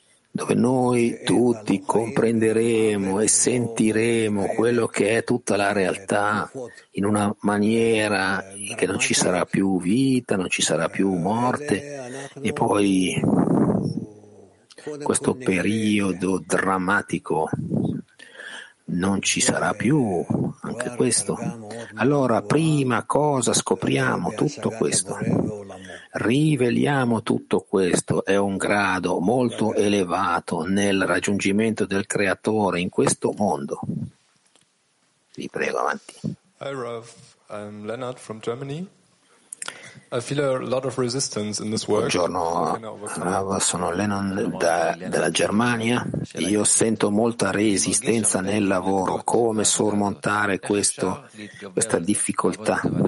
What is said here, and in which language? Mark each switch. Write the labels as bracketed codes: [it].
[it] dove noi tutti comprenderemo e sentiremo quello che è tutta la realtà in una maniera che non ci sarà più vita, non ci sarà più morte e poi questo periodo drammatico non ci sarà più anche questo. Allora, prima cosa, scopriamo tutto questo. Riveliamo tutto questo. È un grado molto elevato nel raggiungimento del creatore in questo mondo. Vi prego, avanti. [en] Hi Rav, I'm Leonard from Germany. I feel a lot of resistance in this work. [it] Buongiorno, sono Lennon della Germania. Io sento molta resistenza nel lavoro. Come sormontare questa difficoltà?